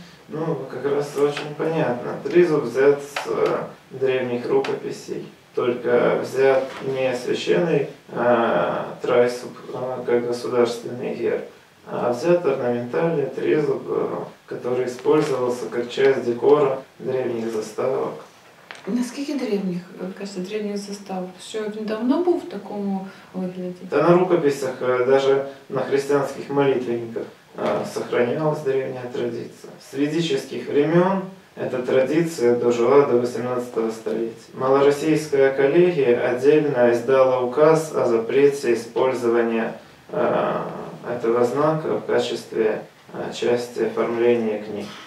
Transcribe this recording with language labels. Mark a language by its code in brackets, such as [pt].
[ru] Ну, как раз очень понятно. Тризуб взят с древних рукописей. Только взят не священный трайсуб как государственный герб, а взят орнаментальный трезуб, который использовался как часть декора древних заставок. [uk] Наскільки древних, кажется, древних заставок? Що він давно був в такому вигляді? [ru] Та на рукописях, даже на христианских молитвенниках сохранялась древняя традиция. С ведических времен эта традиция дожила до 18 столетия. Малороссийская коллегия отдельно издала указ о запрете использования этого знака в качестве части оформления книг.